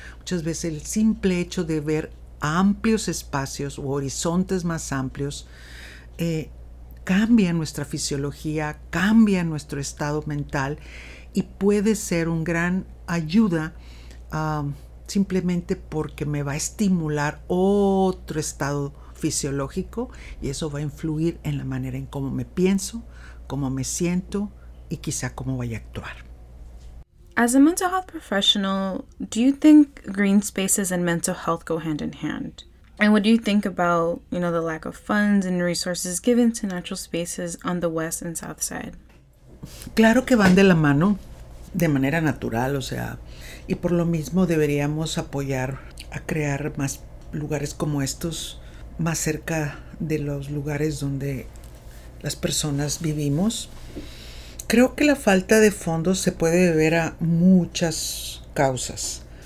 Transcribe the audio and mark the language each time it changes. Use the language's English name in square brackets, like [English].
[Spanish] Muchas veces el simple hecho de ver amplios espacios o horizontes más amplios cambia nuestra fisiología, cambia nuestro estado mental y puede ser un gran ayuda simplemente porque me va a estimular otro estado fisiológico y eso va a influir en la manera en cómo me pienso, cómo me siento y quizá cómo voy a actuar. [English] As a mental health professional, do you think green spaces and mental health go hand in hand? And what do you think about, you know, the lack of funds and resources given to natural spaces on the west and south side? [Spanish] Claro que van de la mano, de manera natural, o sea, y por lo mismo deberíamos apoyar a crear más lugares como estos, más cerca de los lugares donde las personas vivimos. Creo que la falta de fondos se puede deber a muchas causas.